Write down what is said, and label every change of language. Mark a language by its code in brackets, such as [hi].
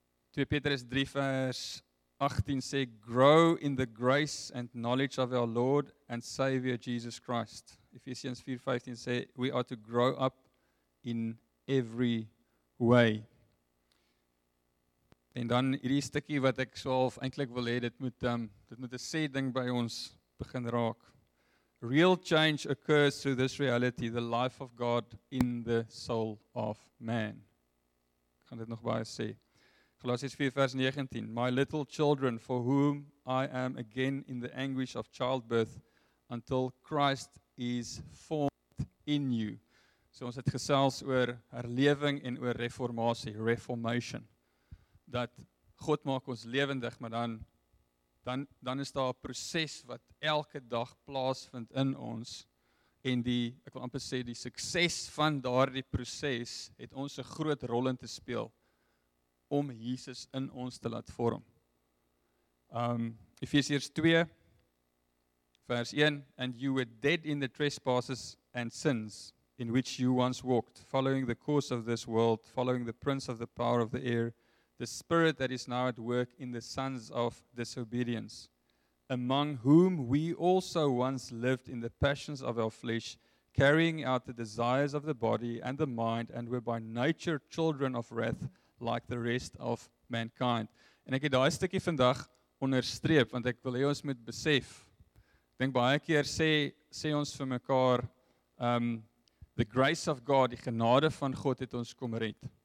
[af] 2 Petrus 3 vers 18 sê, [en] Grow in the grace and knowledge of our Lord and Savior Jesus Christ. Ephesians 4 [af] vers 15 sê, [en] We are to grow up in every way. [af] En dan hierdie stukkie wat ek swaalf eintlik wil hê, dit moet 'n sê ding by ons begin raak. [en] Real change occurs through this reality, the life of God in the soul of man. [af] Ek gaan dit nog baie sê. Galasiërs 4 vers 19. [en] My little children, for whom I am again in the anguish of childbirth until Christ is formed in you. [af] So ons het gesels oor herlewing en oor reformatie, reformation. Dat God maak ons lewendig, maar dan is daar 'n proses wat elke dag plaasvind in ons. En die, ek wil amper sê, die sukses van daardie proses het ons 'n groot rol in te speel om Jesus in ons te laat vorm. Efesiërs 2 vers 1, [en] and you were dead in the trespasses and sins in which you once walked, following the course of this world, following the prince of the power of the air, the spirit that is now at work in the sons of disobedience, among whom we also once lived in the passions of our flesh, carrying out the desires of the body and the mind, and were by nature children of wrath, like the rest of mankind. [af] En ek het daai stukkie vandag onderstreep, want ek wil hê ons moet besef. Ek dink baie keer sê ons vir mekaar, [en] the grace of God, [af] die genade van God het ons kom red.